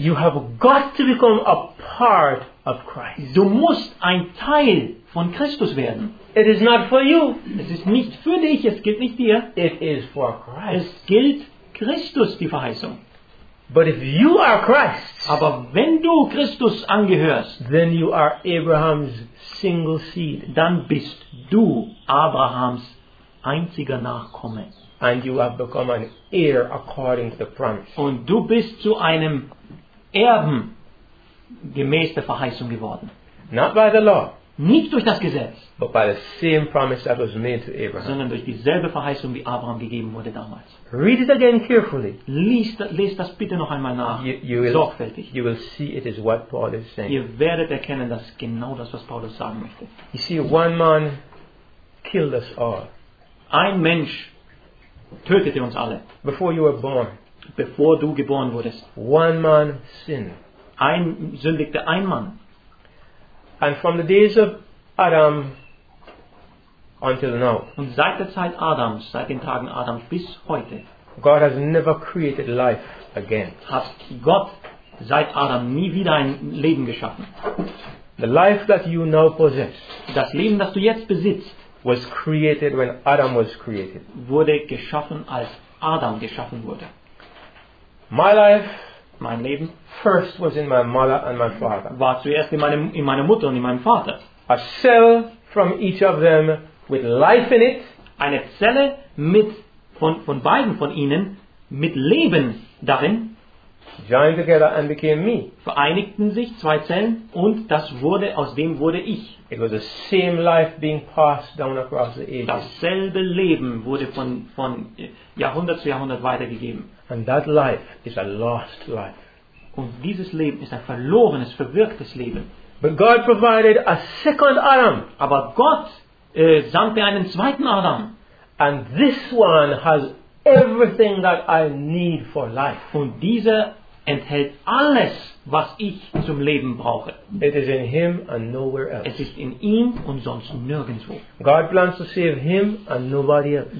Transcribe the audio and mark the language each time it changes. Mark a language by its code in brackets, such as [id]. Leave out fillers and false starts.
[en] You have got to become a part of Christ. [de] Du musst ein Teil von Christus werden. [en] It is not for you. [de] Es ist nicht für dich, es gilt nicht dir. [en] It is for Christ. [de] Es gilt Christus, die Verheißung. [en] But if you are Christ, [de] aber wenn du Christus angehörst, [en] then you are Abraham's single seed. [de] Dann bist du Abrahams einziger Nachkomme. [en] And you have become an heir according to the promise. [de] Und du bist zu einem Erben gemäß der Verheißung geworden. [en] Not by the law. [de] Nicht durch das Gesetz. [en] But by the same promise that was made to Abraham. [de] Sondern durch dieselbe Verheißung, die Abraham gegeben wurde damals. [en] Read it again carefully. [de] Lies das bitte noch einmal nach. Sorgfältig. [en] You will see it is what Paul is saying. [de] Ihr werdet erkennen, dass genau das, was Paulus sagen möchte. [en] You see, one man killed us all. [de] Ein Mensch tötete uns alle. [en] Before you were born. [de] Bevor du geboren wurdest. [en] One man sin. [de] Ein sündigte ein Mann. [en] And from the days of Adam until now. [de] Und seit der Zeit Adams, seit den Tagen Adams bis heute. [en] God has never created life again. [de] Hat Gott seit Adam nie wieder ein Leben geschaffen. [en] The life that you now possess. [de] Das Leben, das du jetzt besitzt. [en] Was created when Adam was created. [de] Wurde geschaffen, als Adam geschaffen wurde. [en] My life, [de] mein Leben, [en] first was in my mother and my father. [de] War zuerst in meiner Mutter und in meinem Vater. [en] A cell from each of them with life in it. [de] Eine Zelle von beiden von ihnen mit Leben darin. [en] Joined together and became me. [de] Vereinigten sich zwei Zellen und das wurde, aus dem wurde ich. [en] It was the same life being passed down across the ages. [de] Dasselbe Leben wurde von Jahrhundert zu Jahrhundert weitergegeben. [en] And that life is a lost life. [de] Und dieses Leben ist ein verlorenes, verwirktes Leben. [en] But God provided a second Adam. [de] Aber Gott sandte einen zweiten Adam. [en] And this one has everything that I need for life. [de] Und dieser enthält alles, was ich zum Leben brauche. [en] It is in him and nowhere else. [de] Es ist in ihm und sonst nirgendwo. [en] God plans to save him and nobody else.